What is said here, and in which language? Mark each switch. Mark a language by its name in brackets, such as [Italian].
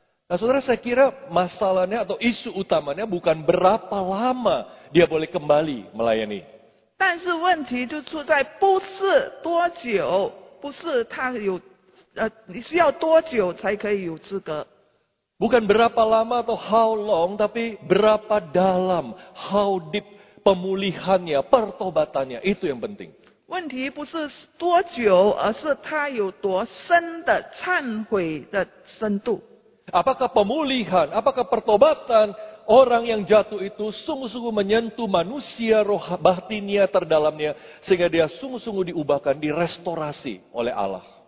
[Indonesian] Nah, saudara, saya kira masalahnya atau isu utamanya bukan berapa lama dia boleh kembali melayani. [Chinese] 但是问题就出在不是多久，不是他有，你需要多久才可以有资格。 [Indonesian] Bukan berapa lama atau [English] how long, [Indonesian] tapi berapa dalam, [English] how deep [Indonesian] pemulihannya, pertobatannya, itu yang penting. [Chinese] 问题不是多久，而是他有多深的忏悔的深度。 [Indonesian] Apakah pemulihan, apakah pertobatan orang yang jatuh itu sungguh-sungguh menyentuh manusia roh batinnya terdalamnya sehingga dia sungguh-sungguh diubahkan, direstorasi oleh Allah.